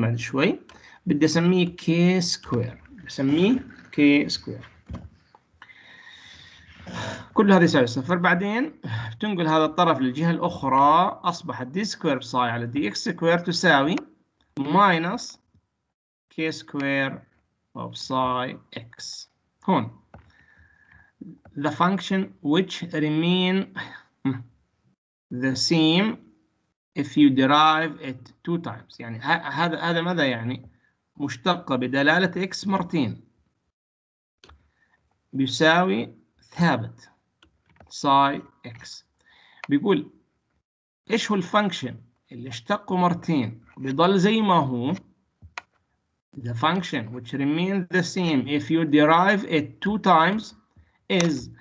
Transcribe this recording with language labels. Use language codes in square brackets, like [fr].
[ar] بعد شوي بدي اسميه كي سكوير، بسميه كي سكوير. كل هذه يساوي صفر، بعدين بتنقل هذا الطرف للجهه الاخرى، اصبحت [en] D square بساي على d x square تساوي minus k square of psi x. هون the function which remain the same if you derive it two times. [ar] يعني هذا ماذا يعني؟ مشتقة بدلالة x مرتين بيساوي ثابت psi x. بيقول ايش هو الفانكشن اللي اشتقه مرتين بيضل زي ما هو؟ [en] the function which remain the same if you derive it two times is.